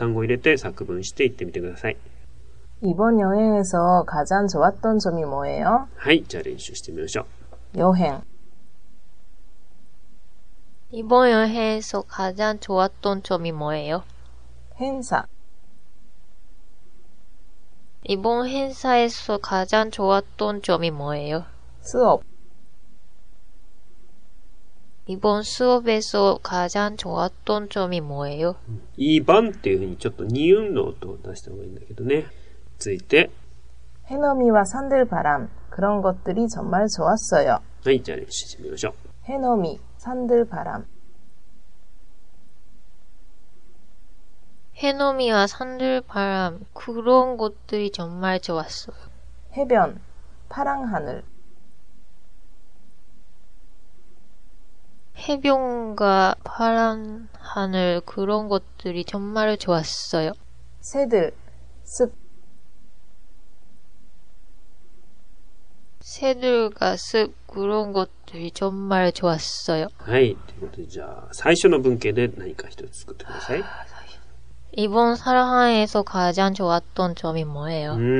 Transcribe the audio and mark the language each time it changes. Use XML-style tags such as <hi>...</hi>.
<ja>ちょっと詩的な表現をエリカちゃんが使ってる感じなんだけど、ヘビョンかパランハネ、海辺と青い空、セドルかスプっていうのは鳥たちと森ということになりますね。そんなものが本当に良かったですということです。林は何ですか?林は同じだね、スプ。日本みたいなそういう細かい区別はないのかな?はい。それじゃあ練習してみましょう。最初にアミちゃんが基本形言って、その後で単語を言いますので、リスナーの皆さんはその単語を入れて作文していってみてください。</ja> <ko>이번 여행에서 가장 좋았던 점이 뭐예요?</ko> <ja>はい、じゃあ練習してみましょう。</ja> <ko>여행 이번 여행에서 가장 좋았던 점이 뭐예요? 행사 이번 행사에서 가장 좋았던 점이 뭐예요? 수업 이번 수업에서 가장 좋았던 점이 뭐예요?</ko> <ja>2번っていうふうにちょっと二音の音を出した方がいいんだけどね。</ja> <ko>해놈이와 산들바람 그런 것들이 정말 좋았어요. 네, 자 해놈이 산들바람 해놈이와 산들바람 그런 것들이 정말 좋았어요. 해변 파란 하늘 해변과 파란 하늘 그런 것들이 정말 좋았어요. 새들 숲 새들과 숲 그런 것들이 정말 좋았어요.</ko> <ja>はい、ということで、じゃあ、最初の文型で何か一つ作ってください。</ja> <ko>이번 사랑하에서 가장 좋았던 점이 뭐예요?</ko>